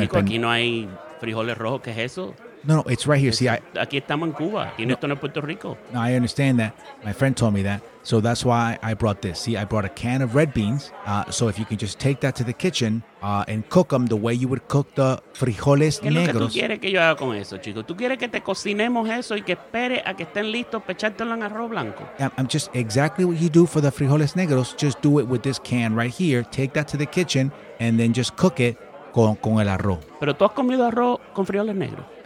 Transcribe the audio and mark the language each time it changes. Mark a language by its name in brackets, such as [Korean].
[Spanish] el pernil. Aquí no hay frijoles rojos. ¿Qué es eso? [English] No, it's right here. See, [Spanish] aquí estamos en Cuba. Aquí no estamos en Puerto Rico. [English] No, I understand that. My friend told me that. So that's why I brought this. See, I brought a can of red beans. So if you can just take that to the kitchen and cook them the way you would cook the frijoles negros. [Spanish] ¿Qué tú quieres que yo haga con eso, chico? ¿Tú quieres que te cocinemos eso y que espere a que estén listos para echártelo en arroz blanco? [English] I'm just exactly what you do for the frijoles negros. Just do it with this can right here. Take that to the kitchen and then just cook it [Spanish] con el arroz. ¿Pero tú has comido arroz con frijoles negros?